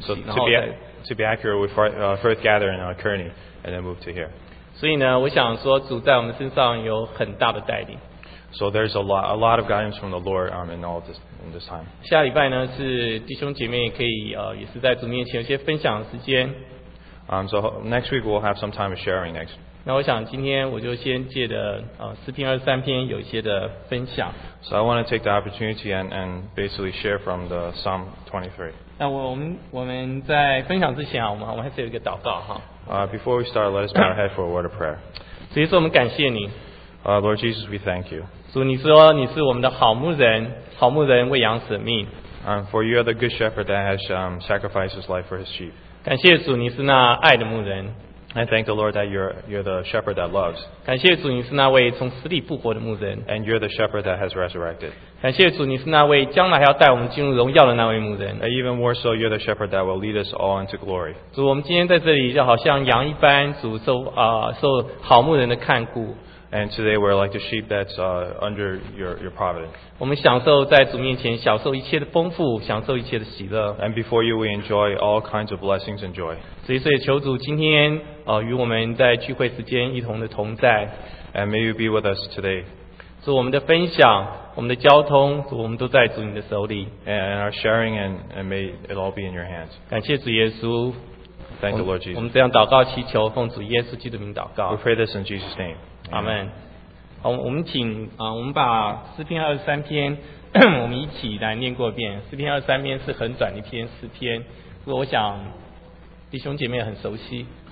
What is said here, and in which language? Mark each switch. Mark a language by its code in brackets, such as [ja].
[en] So to be accurate, we first gathered in Kearney and then moved to here. [zh] 所以呢，我想说主在我们身上有很大的带领。 [en] So there's a lot of guidance from the Lord in this time. [zh] 下礼拜呢是弟兄姐妹可以也是在主面前有些分享的时间。 [en] So next week we'll have some time of sharing next. [zh] 那我想今天我就先借着诗篇23篇有一些的分享。 [en] So I want to take the opportunity and basically share from the Psalm 23. [zh] 那我们在分享之前啊，我们还是有一个祷告哈。 [en] Before we start, let us bow our head for a word of prayer. [zh] 主耶稣，我们感谢你。 [en] Lord Jesus, we thank you. [zh] 主，你说你是我们的好牧人，好牧人为羊舍命。 [en] For you are the good shepherd that has sacrificed his life for his sheep. [zh] 感谢主，你是那爱的牧人。 [en] I thank the Lord that you're the shepherd that loves. [zh] 感谢主，你是那位从死里复活的牧人。 [en] And you're the shepherd that has resurrected. [zh] 感谢主，你是那位将来还要带我们进入荣耀的那位牧人。 [en] And even more so, you're the shepherd that will lead us all into glory. [zh] 主，我们今天在这里就好像羊一般，主受受好牧人的看顾。 [en] And today we're like the sheep that's under your providence. [zh] 我们享受在主面前享受一切的丰富，享受一切的喜乐。 [en] And before you, we enjoy all kinds of blessings and joy. [zh] 所以求主今天与我们在聚会时间一同的同在。 [en] And may you be with us today. [zh] 主，我们的分享，我们的交通，主，我们都在主你的手里。 [en] And our sharing and may it all be in your hands. [zh] 感谢主耶稣。 [en] Thank the Lord Jesus. [zh] 我们这样祷告祈求，奉主耶稣基督的名祷告。 [en] We pray this in Jesus' name. Amen. [zh] 好，我们请我们把诗篇23篇，我们一起来念过一遍。诗篇23篇是很短的一篇诗篇，不过我想弟兄姐妹很熟悉。